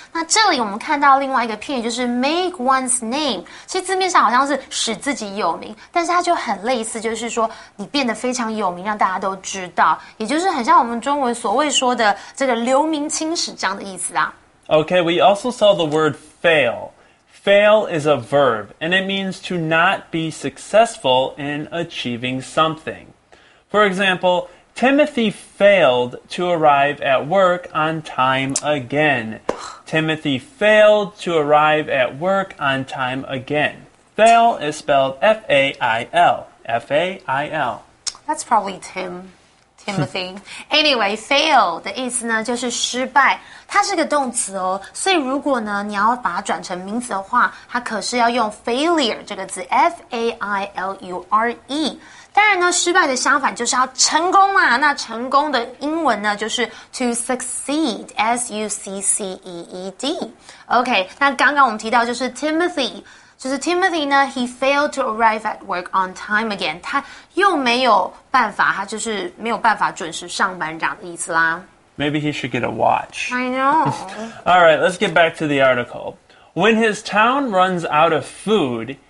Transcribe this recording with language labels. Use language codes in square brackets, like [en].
[zh] 那这里我们看到另外一个片语，就是 make one's name， 其实字面上好像是使自己有名，但是它就很类似，就是说你变得非常有名，让大家都知道，也就是很像我们中文所谓说的这个留名青史这样的意思啊。 [en] Okay, we also saw the word fail. Fail is a verb, and it means to not be successful in achieving something. For example, Timothy failed to arrive at work on time again. Timothy failed to arrive at work on time again. Fail is spelled F-A-I-L. F-A-I-L. That's probably Tim. Timothy. Anyway, fail [zh] 的意思呢就是失败。它是个动词哦，所以如果呢你要把它转成名词的话，它可是要用 failure 这个字 F-A-I-L-U-R-E。当然呢，失败的相反就是要成功嘛。那成功的英文呢，就是 [en] to succeed, [zh] S-U-C-C-E-E-D. OK, 那刚刚我们提到就是 Timothy, 就是 Timothy 呢 ， [en] he failed to arrive at work on time again. [zh] 他又没有办法，他就是没有办法准时上班这样的意思啦。 [en] Maybe he should get a watch. I know. All right, let's get back to the article. When his town runs out of food,